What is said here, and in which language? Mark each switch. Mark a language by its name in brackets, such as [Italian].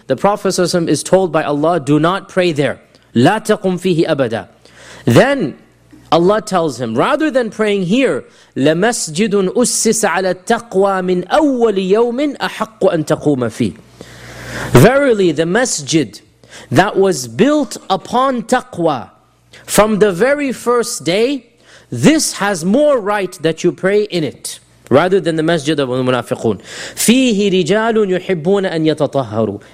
[English] The Prophet ﷺ is told by Allah, do not pray there. [Arabic] لا تقم فيه أبدا. [English] Then Allah tells him, rather than praying here, [Arabic] لَمَسْجِدٌ أُسِّسَ عَلَى التَّقْوَى مِنْ أَوَّلِ يَوْمٍ أَحَقُّ أَن تَقُومَ فِيهِ. [English] Verily, the masjid that was built upon taqwa from the very first day, this has more right that you pray in it, rather than the masjid of al-munafiqun. [Arabic] فِيهِ رِجَالٌ يُحِبُّونَ أَن يَتَطَهَّرُوا.